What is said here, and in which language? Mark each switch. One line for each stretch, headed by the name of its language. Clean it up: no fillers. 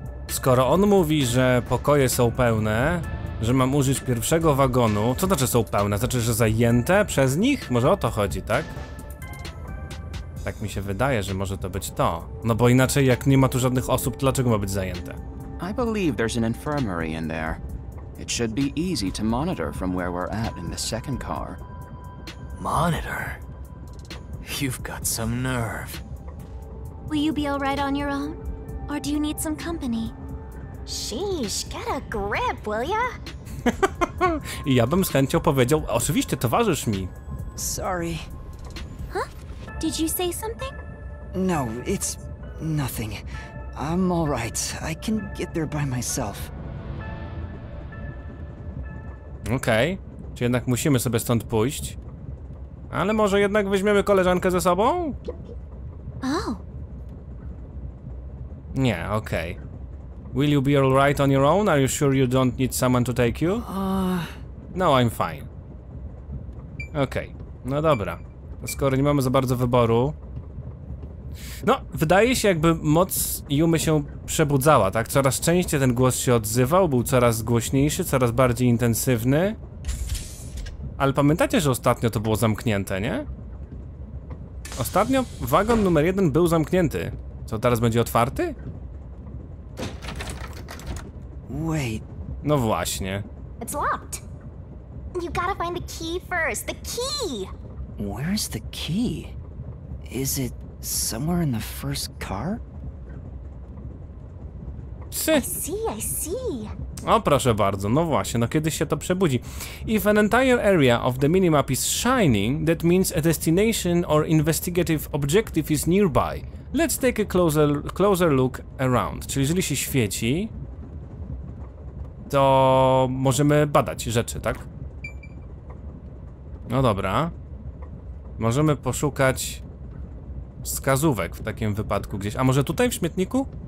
Polish: Skoro on mówi, że pokoje są pełne, że mam użyć pierwszego wagonu, co znaczy są pełne? Znaczy, że zajęte przez nich? Może o to chodzi, tak? Tak mi się wydaje, że może to być to. No bo inaczej, jak nie ma tu żadnych osób, to dlaczego ma być zajęte?
English: I believe there's an infirmary in there. It should be easy to monitor from where we're at in the second car. Monitor? You've got some nerve. Will you be all right on your own? Or do you need some company? Sheesh, get a grip, will ya?
Polish: Ja bym z chęcią powiedział, oczywiście, towarzysz mi.
English: Sorry. Huh? Did you say something? No, it's nothing. I'm all right. I can get there by myself. Okej.
Polish: Czy jednak musimy sobie stąd pójść? Ale może jednak weźmiemy koleżankę ze sobą? Oh. Nie, okej.
English: Will you be all right on your own? Are you sure you don't need someone to take you? No, I'm fine.
Polish: Okej. No dobra. Skoro nie mamy za bardzo wyboru. No, wydaje się, jakby moc Yumy się przebudzała, tak? Coraz częściej ten głos się odzywał, był coraz głośniejszy, coraz bardziej intensywny. Ale pamiętacie, że ostatnio to było zamknięte, nie? Ostatnio wagon numer 1 był zamknięty. Co, teraz będzie otwarty?
English: Wait.
Polish: No właśnie.
English: It's locked. You gotta find the key first. The key! Where's the key? Is it somewhere in the first car? I see.
Polish: O, proszę bardzo, no właśnie, no kiedyś się to przebudzi.
English: If an entire area of the minimap is shining, that means a destination or investigative objective is nearby. Let's take a closer look around.
Polish: Czyli jeżeli się świeci, to możemy badać rzeczy, tak? No dobra. Możemy poszukać wskazówek w takim wypadku gdzieś. A może tutaj w śmietniku?